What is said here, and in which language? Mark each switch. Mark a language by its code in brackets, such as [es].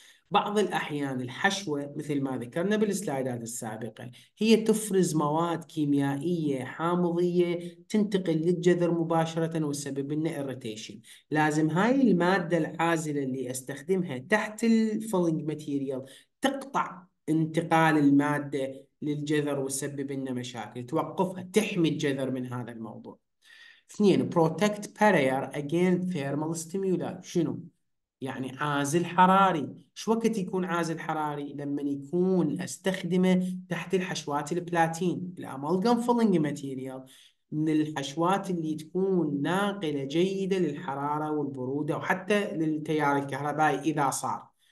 [ar] بعض الأحيان الحشوة مثل ما ذكرنا بالسلايدات السابقة هي تفرز مواد كيميائية حامضية تنتقل للجذر مباشرة وتسبب لنا irritation. لازم هاي المادة العازلة اللي أستخدمها تحت الفولينج ماتيريال تقطع انتقال المادة للجذر وتسبب لنا مشاكل، توقفها، تحمي الجذر من هذا الموضوع. اثنين، [en] protect barrier against thermal stimuli. [ar] شنو؟ يعني عازل حراري. شو وقت يكون عازل حراري؟ لما يكون استخدمه تحت الحشوات البلاتين الامالجام فولينج ماتيريال، من الحشوات اللي تكون ناقله جيده للحراره والبروده وحتى للتيار الكهربائي اذا صار.